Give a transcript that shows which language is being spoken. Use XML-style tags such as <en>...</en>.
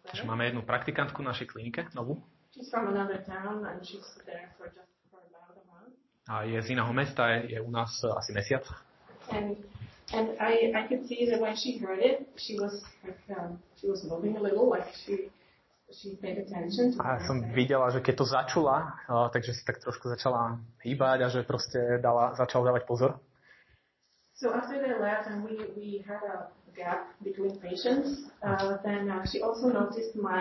<sk>Že máme jednu praktikantku v našej klinike novú.</sk> <en>She's from another town and she's there for about a month.</en> <sk>A je z iného mesta, je u nás asi mesiac.</sk> <en>And I could see that when she heard it, she was moving a little, like she paid attention to.</en> <sk>A som videla, že keď to začula, takže si tak trošku začala hýbať a že proste začala dávať pozor.</sk> <en>So after they left and we had a gap between patients, then she also noticed</en>